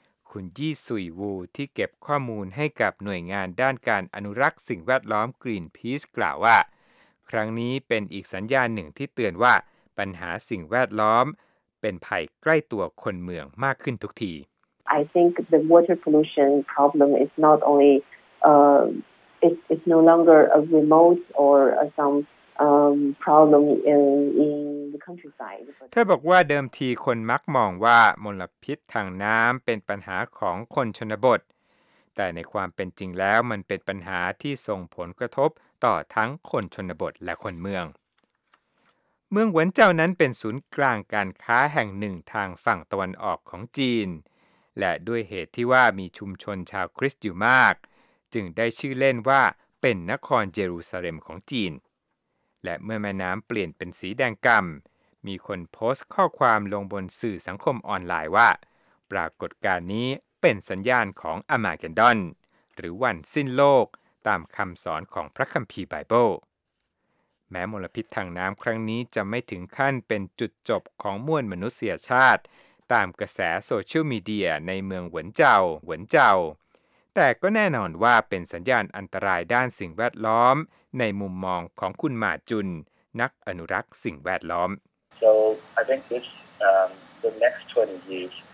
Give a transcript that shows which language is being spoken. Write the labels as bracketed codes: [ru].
[th] คุณยี่สุยวูที่เก็บข้อมูลให้กับหน่วยงานด้านการอนุรักษ์สิ่งแวดล้อมกรีนพีซกล่าวว่าครั้งนี้เป็นอีกสัญญาณหนึ่งที่เตือนว่าปัญหาสิ่งแวดล้อมเป็นภัยใกล้ตัวคนเมืองมากขึ้นทุกที [en] I think the water pollution problem is not only it's no longer a remote or some problem in the countryside [th] เธอบอกว่าเดิมทีคนมักมองว่ามลพิษทางน้ำเป็นปัญหาของคนชนบทแต่ในความเป็นจริงแล้วมันเป็นปัญหาที่ส่งผลกระทบต่อทั้งคนชนบทและคนเมือง เมืองหวนเจานั้นเป็นศูนย์กลางการค้าแห่งหนึ่งทางฝั่งตะวันออกของจีนและด้วยเหตุที่ว่ามีชุมชนชาวคริสต์อยู่มากจึงได้ชื่อเล่นว่าเป็นนครเยรูซาเล็มของจีนและเมื่อแม่น้ำเปลี่ยนเป็นสีแดงกำมีคนโพสต์ข้อความลงบนสื่อสังคมออนไลน์ว่าปรากฏการณ์นี้เป็นสัญญาณของอามาเกดดอนหรือวันสิ้นโลกตามคำสอนของพระคัมภีร์ไบเบิล แม้มลพิษทางน้ำครั้งนี้จะไม่ถึงขั้นเป็นจุดจบของมวลมนุษยชาติตามกระแสโซเชียลมีเดียในเมืองหวนเจาแต่ก็แน่นอนว่าเป็นสัญญาณอันตรายด้านสิ่งแวดล้อมในมุมมองของคุณหมาจุนนักอนุรักษ์สิ่งแวดล้อม [en] So I think this the next 20 years